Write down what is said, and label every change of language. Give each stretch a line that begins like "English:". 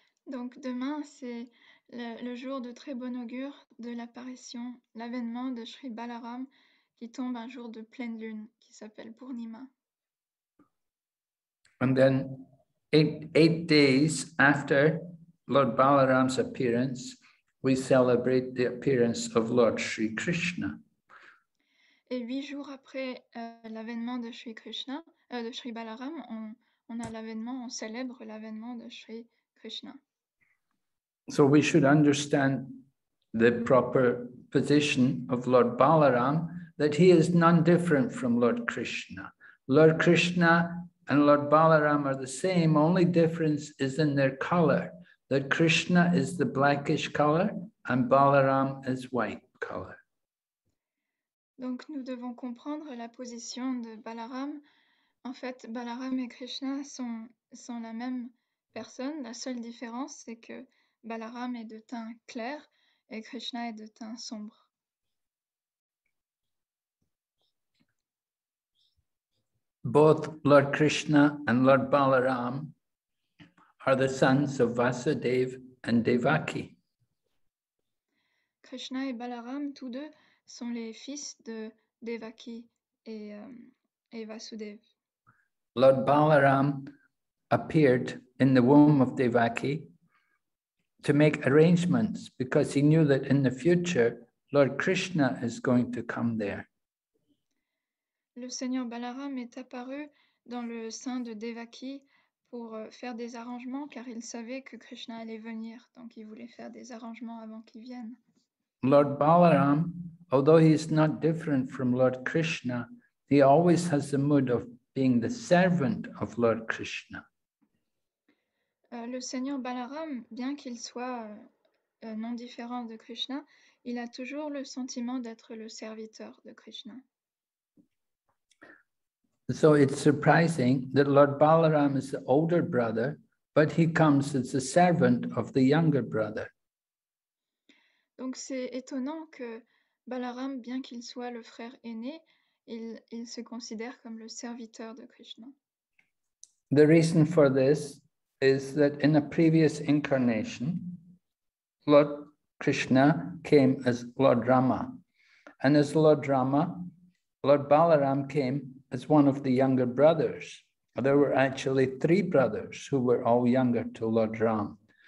French: Donc demain, c'est le jour de très bon augure de l'apparition, l'avènement de Sri Balaram qui tombe un jour de pleine lune qui s'appelle Purnima.
English: And then eight days after Lord Balaram's appearance, we celebrate the appearance of Lord Sri Krishna.
French: Et 8 jours après l'avènement de Sri Krishna, de Sri Balaram, on a l'avènement, on célèbre l'avènement de Sri Krishna.
English: So we should understand the proper position of Lord Balaram, that he is none different from Lord Krishna. Lord Krishna and Lord Balaram are the same, only difference is in their color. That Krishna is the blackish color and Balaram is white color.
French: Donc nous devons comprendre la position de Balaram. En fait, Balaram et Krishna sont la même personne. La seule différence, c'est que Balaram est de teint clair et Krishna est de teint sombre.
English: Both Lord Krishna and Lord Balaram are the sons of Vasudev and Devaki.
French: Krishna et Balaram, tous deux, sont les fils de Devaki et Vasudev.
English: Lord Balaram appeared in the womb of Devaki to make arrangements because he knew that in the future, Lord Krishna is going to come there.
French: Le Seigneur Balaram est apparu dans le sein de Devaki pour faire des arrangements, car il savait que Krishna allait venir, donc il voulait faire des arrangements avant qu'il vienne.
English: Lord Balaram, although he is not different from Lord Krishna, he always has the mood of being the servant of Lord Krishna.
French: Le Seigneur Balaram, bien qu'il soit non différent de Krishna, il a toujours le sentiment d'être le serviteur de Krishna.
English: So it's surprising that Lord Balaram is the older brother, but he comes as the servant of the younger brother.
French: Donc c'est étonnant que Balaram, bien qu'il soit le frère aîné, il se considère comme le serviteur de Krishna.
English: The reason for this is that in a previous incarnation, Lord Krishna came as Lord Rama. And as Lord Rama, Lord Balaram came as one of the younger brothers. There were actually three brothers who were all younger to Lord Ram.